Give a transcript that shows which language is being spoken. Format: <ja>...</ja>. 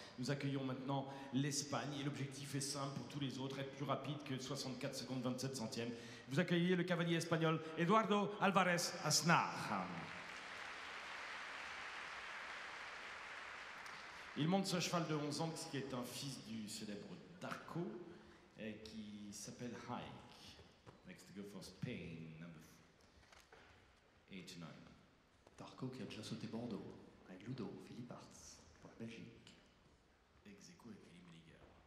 <fr>Nous accueillons maintenant l'Espagne et l'objectif est simple pour tous les autres, être plus rapide que 64 secondes 27 centièmes. Vous accueillez le cavalier espagnol Eduardo Álvarez Aznar. Il monte ce cheval de 11 ans qui est un fils du célèbre Darko et qui s'appelle Hike.</fr> <en>Next to go for Spain, number 89.</en> <fr>Darko qui a déjà sauté Bordeaux avec Ludo, Philippe Arts pour la Belgique. Ex-aequo avec Philippe Liger.</fr>